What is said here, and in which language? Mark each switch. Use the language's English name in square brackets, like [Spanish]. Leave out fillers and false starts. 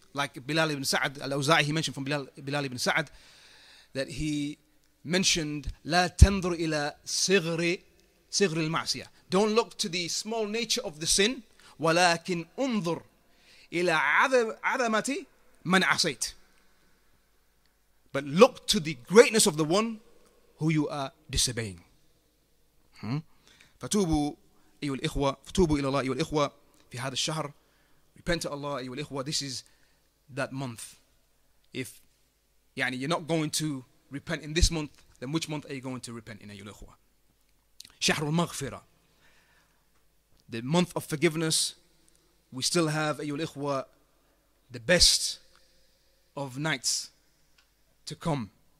[English] Like Bilal ibn Sa'd, al-Awza'i, he mentioned from Bilal ibn Sa'd, that he mentioned, [Arabic] لا تنظر إلى صغر المعصية. [English] Don't look to the small nature of the sin, [Arabic] ولكن انظر إلى عظمتي من عصيت. [English] But look to the greatness of the one who you are disobeying. [Arabic] فتوبوا أيها الإخوة فتوبوا إلى الله أيها الإخوة في هذا الشهر. [English] Repent to Allah [Arabic] أيها الإخوة. [English] This is that month. If يعني you're not going to repent in this month, then which month are you going to repent in [Arabic] أيها الإخوة؟ شهر المغفرة. [English] The month of forgiveness. We still have, [Arabic] أيها الإخوة, [English] the best of nights to come.